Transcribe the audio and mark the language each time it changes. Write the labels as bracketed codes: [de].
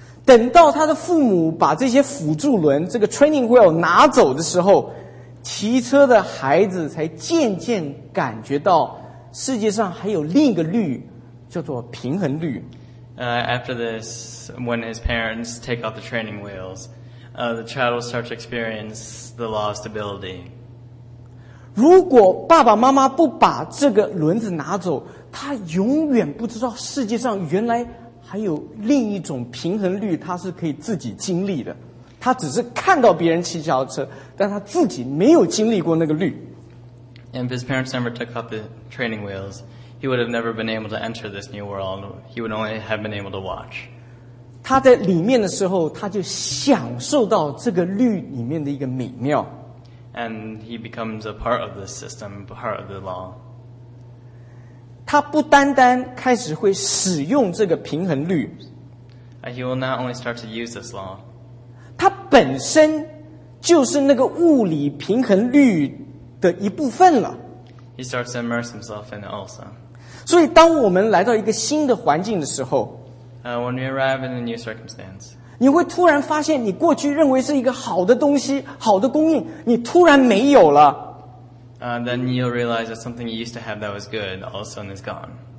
[zh] 等到他的父母把这些辅助轮、这个 [en] training wheel [zh] 拿走的时候，骑车的孩子才渐渐感觉到世界上还有另一个律，叫做平衡律。 [en] After this, when his parents take off the training wheels, the child will start to experience the law of stability. [zh] 如果爸爸妈妈不把这个轮子拿走，他永远不知道世界上原来还有另一种平衡律，他是可以自己经历的。他只是看到别人骑脚踏车，但他自己没有经历过那个律。 [en] And if his parents never took off the training wheels,He would have never been able to enter this new world. He would only have been able to watch. [zh] 他在里面的时候，他就享受到这个律里面的一个美妙。 [en] And he becomes a part of the system, part of the law. [zh] 他不单单开始会使用这个平衡律。 [en] He will not only start to use this law. [zh] 他本身就是那个物理平衡律的一部分了。 [en] He starts to immerse himself in it also. [zh] 所以当我们来到一个新的环境的时候 [en] When we arrive in a new circumstance, [zh] 你会突然发现你过去认为是一个好的东西好的供应你突然没有了。 [en] Then you'll realize that something you used to have that was good all of a sudden is gone.